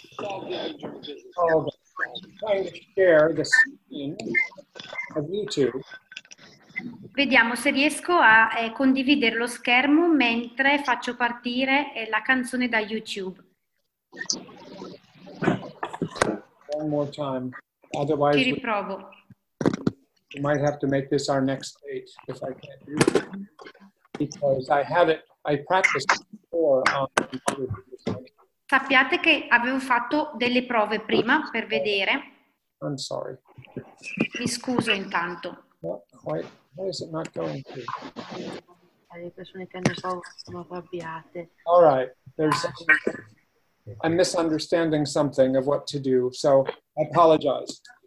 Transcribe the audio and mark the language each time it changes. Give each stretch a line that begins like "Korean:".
English: Oh, trying to share the screen of YouTube.
Italian: Vediamo se riesco a condividere lo schermo mentre faccio partire la canzone da YouTube.
English: One more time. Otherwise,
Italian: ci riprovo.
English: We might have to make this our next date if I can't do it. Because I had it, I practiced before on YouTube.
Italian: Sappiate che avevo fatto delle prove prima per vedere.
English: I'm sorry.
Italian: Mi scuso intanto.
English: Why is it not going to?
Italian: Alle persone che non sono arrabbiate.
English: All right, there's something. I'm misunderstanding something of what to do, so I apologize.